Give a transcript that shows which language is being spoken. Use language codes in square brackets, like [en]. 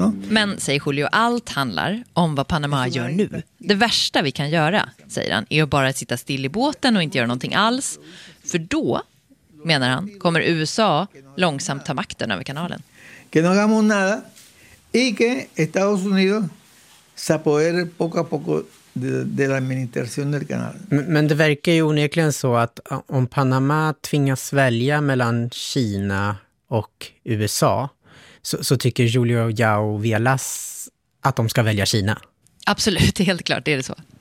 [sv] Men, säger Julio, allt handlar om vad Panama gör nu. Det värsta vi kan göra, säger han, är att bara sitta still i båten och inte göra någonting alls. För då, menar han, kommer USA långsamt ta makten över kanalen. [es] Que no hagamos nada y que Estados Unidos se apodere poco a poco de la administración del canal. [sv] Men det verkar ju onekligen så att om Panama tvingas välja mellan Kina och USA så tycker Julio Yao Villas att de ska välja Kina. Absolut, helt klart, det är det så.